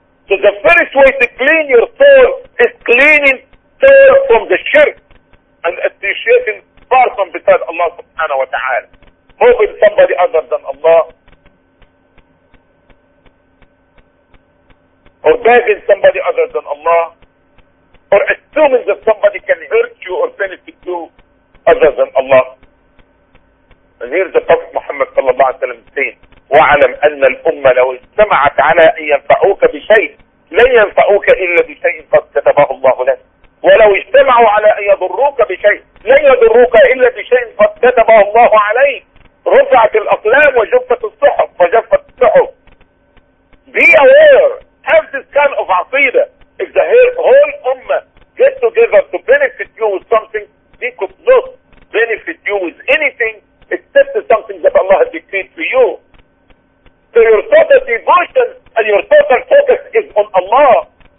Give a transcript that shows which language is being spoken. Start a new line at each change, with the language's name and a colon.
English: So the first way to clean your soul is cleaning soul from the shirk and appreciating far from beside Allah subhanahu wa ta'ala. Moving somebody other than Allah. Or begging somebody other than Allah. Or assuming that somebody can hurt you or benefit you other than Allah. And here's the Prophet Muhammad sallallahu alayhi wa sallam saying,
Arabic: وَعَلَمْ أَنَّ الْأُمَّ لَوْ اجْتَمَعَتْ عَلَىٰ أَنْ يَنْفَعُوكَ بِشَيْءٍ لَنْ يَنْفَعُوكَ إِلَّا بِشَيْءٍ قَدْ كَتَبَهُ اللَّهُ لَكَ وَلَوْ اجْتَمَعُوا عَلَىٰ أَنْ يَضُرُّوكَ بِشَيْءٍ لَنْ يَضُرُّوكَ إِلَّا بِشَيْءٍ قَدْ كَتَبَهُ اللَّهُ عَلَيْكَ رُفِعَتِ الْأَقْلَامُ وَجُفَّتِ الصُّحُفُ وَجَفَّتِ الصُّحُفُ.
English: Be aware, have this kind of aqeedah. If the whole ummah get together to benefit you with something, they could not benefit you with anything except something that Allah has decreed for you. So your total devotion and your total focus is on Allah.